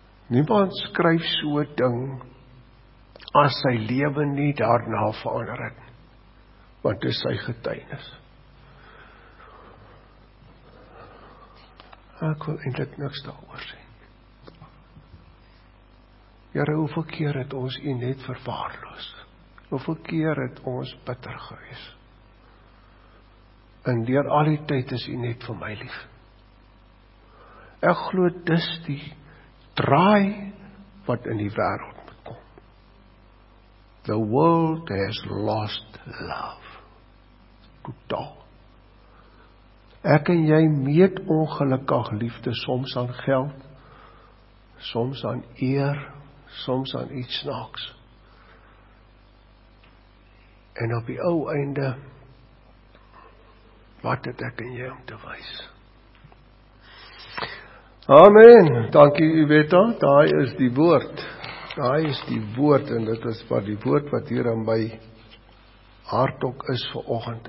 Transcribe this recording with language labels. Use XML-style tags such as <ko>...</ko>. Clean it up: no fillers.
<af>Niemand skryf so ding as sy lewe nie daarna verander het, want dit is sy getuienis. Ek wil eintlik niks daaroor sê. Here, hoeveel keer het ons u net verwaarloos? Hoeveel keer het ons bitter gewees? En deur al die tyd is u net vir my lief. Ek glo dis die draai wat in die wêreld moet kom.</af> <en>The world has lost love.</en> <af>Totaal. Ek en jy meet ongelukkig liefde soms aan geld, soms aan eer, soms aan iets snaaks. En op die ou einde, wat het ek en jy om te wys? Amen. Dankie, Iveta. Daai is die woord. Daai is die woord, en dit is wat die woord wat hier aan my hart ook is vir oggend.</af>